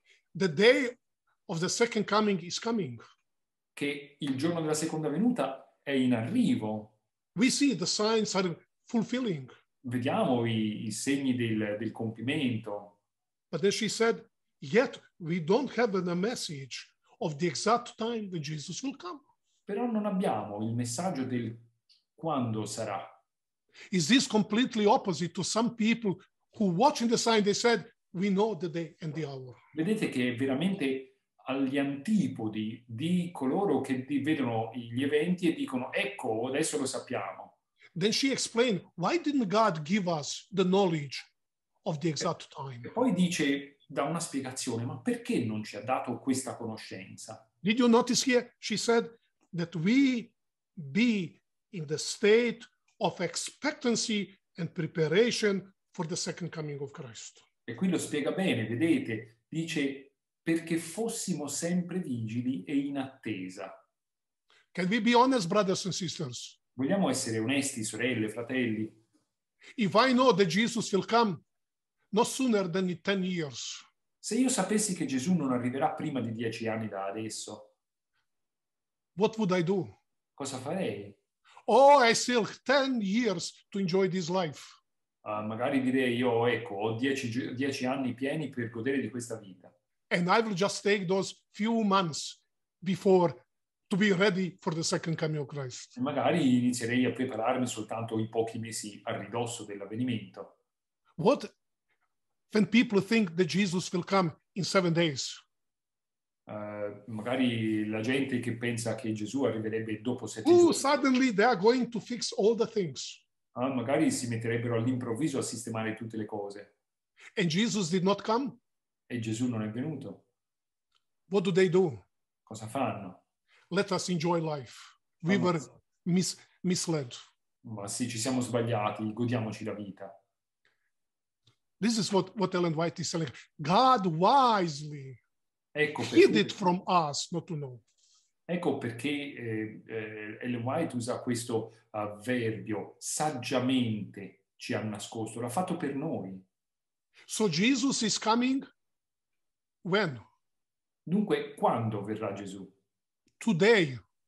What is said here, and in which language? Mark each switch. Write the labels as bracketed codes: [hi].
[en] The day of the second coming is coming. [it] Che il giorno della seconda venuta è in arrivo. [en] We see the signs are fulfilling. [it] Vediamo i segni del compimento. [en] But then she said, yet we don't have a message of the exact time that Jesus will come. [it] Però non abbiamo il messaggio del quando sarà. [en] Is this completely opposite to some people who watching the sign they said, we know the day and the hour. [it] Vedete che è veramente agli antipodi di coloro che vedono gli eventi e dicono ecco, adesso lo sappiamo. [en] Then she explained, why didn't God give us the knowledge of the exact time? [it] E poi dice, dà una spiegazione, ma perché non ci ha dato questa conoscenza? [en] Did you notice here? She said that we be in the state of expectancy and preparation for the second coming of Christ. [it] E qui lo spiega bene, vedete, dice perché fossimo sempre vigili e in attesa. [en] Can we be honest, brothers and sisters? [it] Vogliamo essere onesti, sorelle, fratelli? [en] If I know that Jesus will come no sooner than 10 years. [it] Se io sapessi che Gesù non arriverà prima di 10 anni da adesso, [en] what would I do? [it] Cosa farei? [en] Oh, I still 10 years to enjoy this life. [it] Magari direi io, ecco, ho 10 anni pieni per godere di questa vita. [en] And I will just take those few months before to be ready for the second coming of Christ. [it] E magari inizierei a prepararmi soltanto i pochi mesi a ridosso dell'avvenimento. [en] What when people think that Jesus will come in 7 days? [it] Magari la gente che pensa che Gesù arriverebbe dopo 7 giorni. [en] Suddenly they are going to fix all the things. [it] Magari si metterebbero all'improvviso a sistemare tutte le cose. [en] And Jesus did not come? [it] E Gesù non è venuto. [en] What do they do? [it] Cosa fanno? [en] Let us enjoy life. We were misled. [it] Ma sì, ci siamo sbagliati, godiamoci la vita. [en] This is what Ellen White is saying. God wisely. [it] Ecco [en] perché, hid it from us, not to know. [it] Ecco perché Ellen White usa questo avverbio, saggiamente ci ha nascosto, l'ha fatto per noi. [en] So Jesus is coming when? [it] Dunque, quando verrà Gesù? [en] Today.